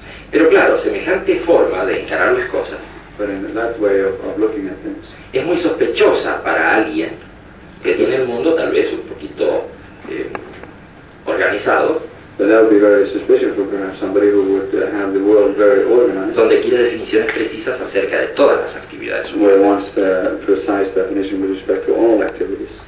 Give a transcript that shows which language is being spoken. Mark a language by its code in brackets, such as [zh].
[es] pero claro, semejante forma de encarar las cosas [en] but in that way of looking at things. [es] Es muy sospechosa para alguien que tiene el mundo tal vez un poquito organizado. [en] But that would be very suspicious for perhaps somebody who would have the world very organized. [es] Donde quiere definiciones precisas acerca de todas las actividades. [en] Where wants the precise definition with respect to all activities.